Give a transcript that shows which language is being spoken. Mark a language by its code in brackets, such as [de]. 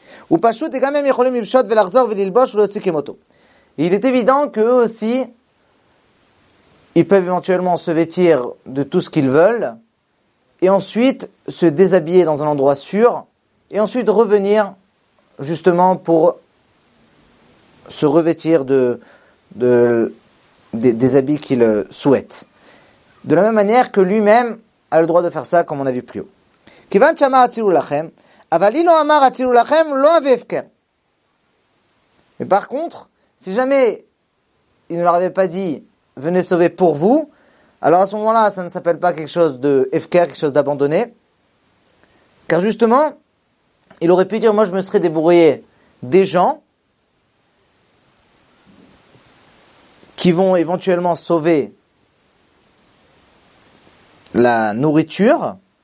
[fr] Et il est évident qu'eux aussi, ils peuvent éventuellement se vêtir de tout ce qu'ils veulent et ensuite se déshabiller dans un endroit sûr et ensuite revenir justement pour se revêtir des habits qu'ils souhaitent. De la même manière que lui-même a le droit de faire ça, comme on a vu plus haut. [he] « Kivan chama atzilu lachem » אבל אילו אמר הצילו לכם לא אביא הפקר. [fr] Mais par contre, si jamais il ne leur avait pas dit venez sauver pour vous, alors à ce moment-là, ça ne s'appelle pas quelque chose de efker, quelque chose d'abandonné. Car justement, il aurait pu dire moi je me serais débrouillé des gens qui vont éventuellement sauver la nourriture.